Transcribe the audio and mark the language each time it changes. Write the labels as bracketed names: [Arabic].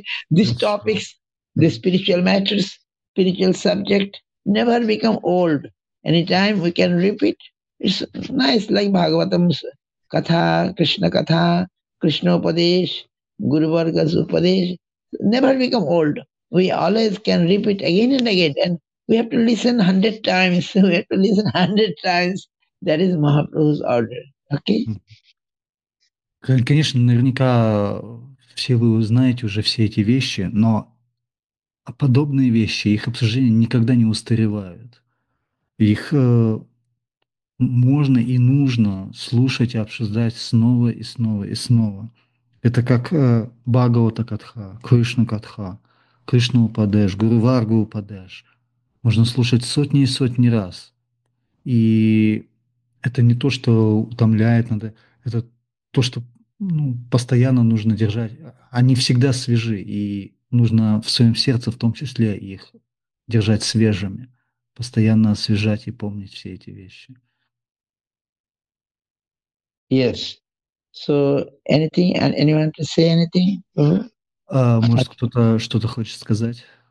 [English] These That's topics, true. The spiritual matters, spiritual subject. Never become old. Anytime we can repeat. It's nice, like Bhagavatam কথা, কৃষ্ণ কথা, কৃষ্ণ উপদেশ, গুরুবর্গ উপদেশ, never become old. We always can repeat again and again, and we have to listen 100 times, we have to listen 100 times, that is Mahaprabhu's order. Okay, [Russian] Конечно, наверняка все вы узнаете уже все эти вещи, но подобные вещи, их обсуждения никогда не устаревают. Их можно и нужно слушать и обсуждать снова и снова и снова. Это как Бхагавата Катха, Кришна Катха, Кришна Упадеш, Гуру Варга Упадеш. Можно слушать сотни и сотни раз. И это не то, что утомляет, надо, это то, что ну, постоянно нужно держать. Они всегда свежи, и нужно в своем сердце в том числе их держать свежими, постоянно освежать и помнить все эти вещи. [English] Yes. So, anything, anyone to say anything? [Russian] Может, кто-то что-то хочет сказать?